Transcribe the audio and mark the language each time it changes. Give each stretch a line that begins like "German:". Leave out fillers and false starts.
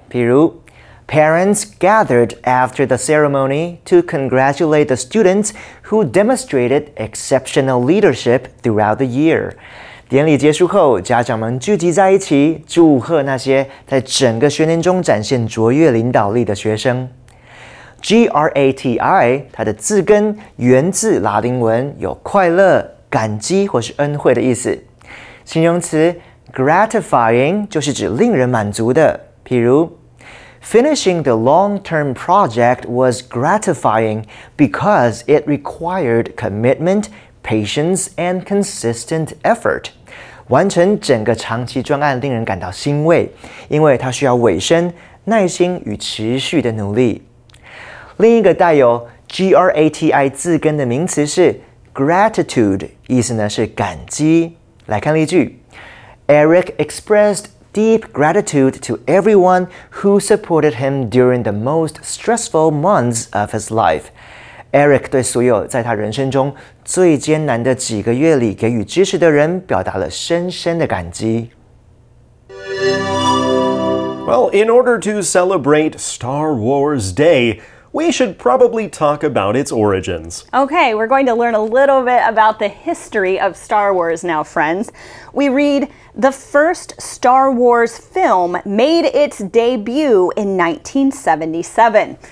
Chinese: 比如,
English: parents gathered after the ceremony to congratulate the students who demonstrated exceptional leadership throughout the year.
Chinese: 典礼结束后，家长们聚集在一起，祝贺那些在整个学年中展现卓越领导力的学生。 Grati， 它的字根源自拉丁文，有快乐、感激或是恩惠的意思。形容词 gratifying 就是指令人满足的。譬如
English: ，Finishing the long-term project was gratifying because it required commitment, patience, and consistent effort.
Chinese: 完成整个长期专案令人感到欣慰，因为它需要尾声、耐心与持续的努力。另一个带有 grati 字根的名词是 gratitude， 意思呢是感激。来看例句
English: ：Eric expressed deep gratitude to everyone who supported him during the most stressful months of his life.
Chinese: Eric 对所有在他人生中最艰难的几个月里给予支持的人表达了深深的感激。
English: Well, in order to celebrate Star Wars Day, we should probably talk about its origins. Okay, we're going to learn a little bit about the history of Star Wars now, friends. We read, the first Star Wars film made its debut in 1977.